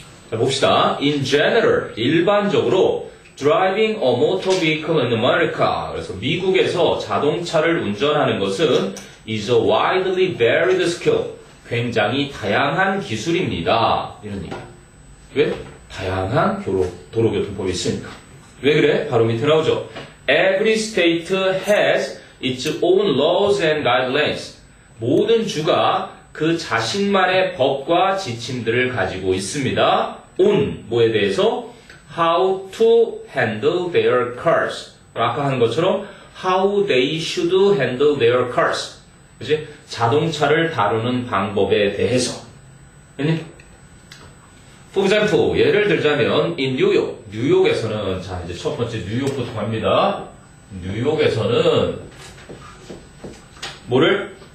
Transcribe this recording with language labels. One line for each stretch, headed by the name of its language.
Korean: 자, 봅시다.
English: In general, 일반적으로 driving a motor vehicle in America.
Korean: 그래서 미국에서 자동차를 운전하는 것은
English: is a widely varied skill.
Korean: 굉장히 다양한 기술입니다. 이런 얘기. 왜? 다양한 도로교통법이 있으니까. 왜 그래? 바로 밑에 나오죠.
English: Every state has its own laws and guidelines.
Korean: 모든 주가 그 자신만의 법과 지침들을 가지고 있습니다.
English: On,
Korean: 뭐에 대해서?
English: How to handle their cars.
Korean: 아까 한 것처럼
English: How they should handle their cars.
Korean: 그치? 자동차를 다루는 방법에 대해서. 아니?
English: For example,
Korean: 예를 들자면 In New York, 뉴욕에서는 자 이제 첫 번째 뉴욕부터 갑니다. 뉴욕에서는 뭐를?